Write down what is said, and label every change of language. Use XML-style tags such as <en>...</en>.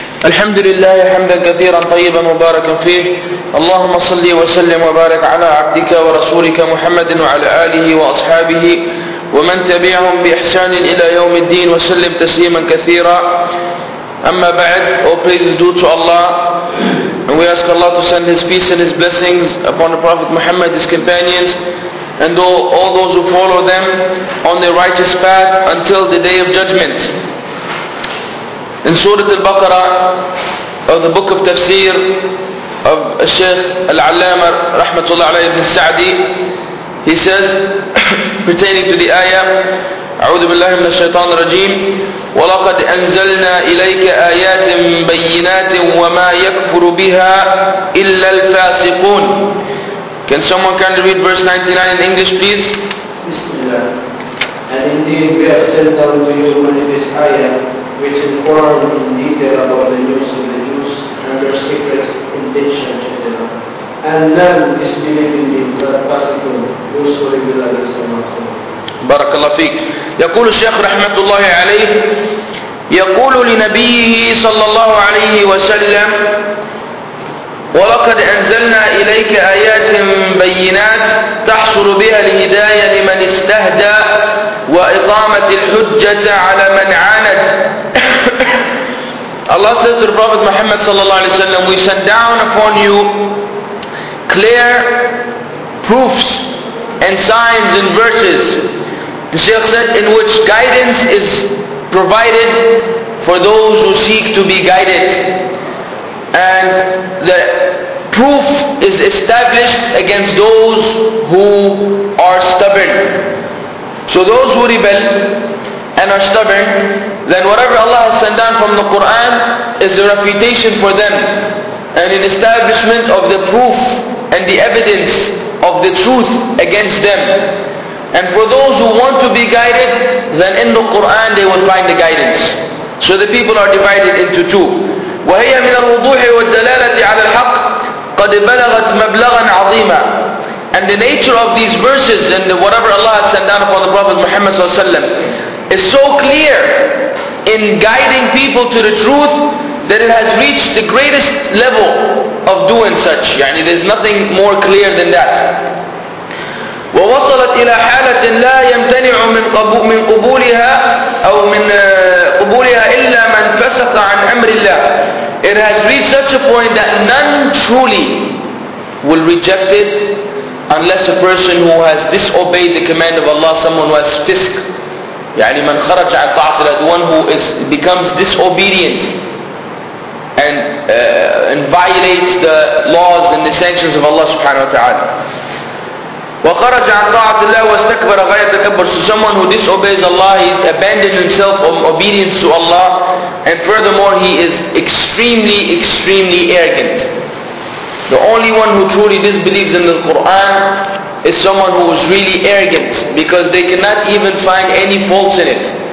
<ar>الحمد لله حمدا كثيرا طيبا مباركا فيه. اللهم صل وسلم وبارك على عبدك ورسولك محمد وعلى آله وأصحابه ومن تبعهم بإحسان إلى يوم الدين وسلم تسليما كثيرا. أما بعد,</ar> <en>all praises due to Allah, and we ask Allah to send His peace and His blessings upon the Prophet Muhammad, His companions, and all those who follow them on their righteous path until the Day of Judgment. In Surah Al-Baqarah of the Book of Tafsir of Sheikh Al-Allama Rahmatullah Alayhi Ibn Sa'di, he says, pertaining to the ayah,</en> <ar>أعوذ بالله من الشيطان الرجيم ولقد أنزلنا إليك آيات بينات وما يكفر بها إلا الفاسقون.</ar> <en>Can someone kindly read verse 99 in English, please?</en> <ar>بسم الله.</ar> <en>And indeed we have sent down to you many of this ayah, which inquired in detail about the news of the news and their secret intention, etc. And none is believing in the fasiqun, those who rebel against Allah.</en> <ar>بارك الله فيك.</ar> <en>يقول الشيخ رحمة الله عليه,</en> <ar>يقول لنبيه صلى الله عليه وسلم ولقد أنزلنا إليك آيات بينات تحصل بها الهداية لمن استهدى وإقامة الحجة على من عاند.</ar> <en>الله says to the Prophet Muhammad</en> <ar>صلى الله عليه وسلم,</ar> <en>we send down upon you clear proofs and signs and verses, the Shaykh said, in which guidance is provided for those who seek to be guided. And the proof is established against those who are stubborn. So those who rebel and are stubborn, then whatever Allah has sent down from the Quran is a refutation for them and an establishment of the proof and the evidence of the truth against them. And for those who want to be guided, then in the Quran they will find the guidance. So the people are divided into two.</en> <ar>وهي من الوضوح والدلالة على الحق قد بلغت مبلغا عظيما.</ar> <en>And the nature of these verses and whatever Allah has sent down upon the Prophet Muhammad sallallahu alaihi wasallam is so clear in guiding people to the truth that it has reached the greatest level of doing such. يعني there's nothing more clear than that.</en> <ar>ووصلت إلى حالة لا يمتنع من قبولها أو من قبولها إلا من فسق عن أمر الله.</ar> <en>It has reached such a point that none truly will reject it unless a person who has disobeyed the command of Allah, someone who has fisk.</en> <ar>يعني من خرج عن طاعة الله,</ar> <en>the one who becomes disobedient and violates the laws and the sanctions of Allah subhanahu wa ta'ala.</en> <ar>وخرج عن طاعة الله واستكبر غاية التكبر.</ar> <en>So someone who disobeys Allah, he abandoned himself of obedience to Allah, and furthermore he is extremely, extremely arrogant. The only one who truly disbelieves in the Quran is someone who is really arrogant, because they cannot even find any faults in it.</en>